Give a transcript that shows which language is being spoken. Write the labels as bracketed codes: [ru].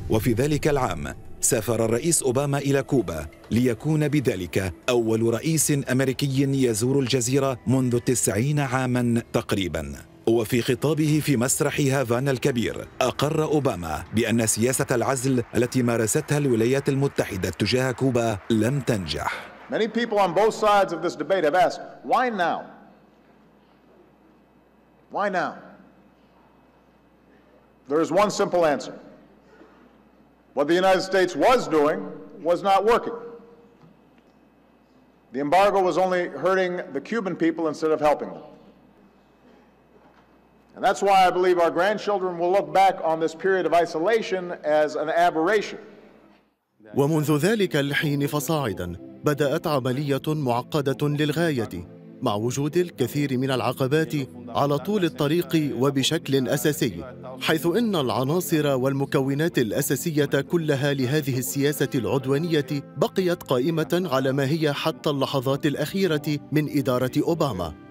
[ar] وفي ذلك العام سافر الرئيس أوباما إلى كوبا ليكون بذلك أول رئيس أمريكي يزور الجزيرة منذ 90 عاماً تقريباً. وفي خطابه في مسرح هافانا الكبير أقر أوباما بأن سياسة العزل التي مارستها الولايات المتحدة تجاه كوبا لم تنجح. [en] Many people on both sides of this debate have asked, why now? Why now? There is one simple answer. What the United States was doing was not working. The embargo was only hurting the Cuban people instead of helping them. And that's why I believe our grandchildren will look back on this period of isolation as an aberration. [ar] ومنذ ذلك الحين فصاعدا بدأت عملية معقدة للغاية مع وجود الكثير من العقبات على طول الطريق وبشكل أساسي، حيث إن العناصر والمكونات الأساسية كلها لهذه السياسة العدوانية بقيت قائمة على ما هي حتى اللحظات الأخيرة من إدارة أوباما،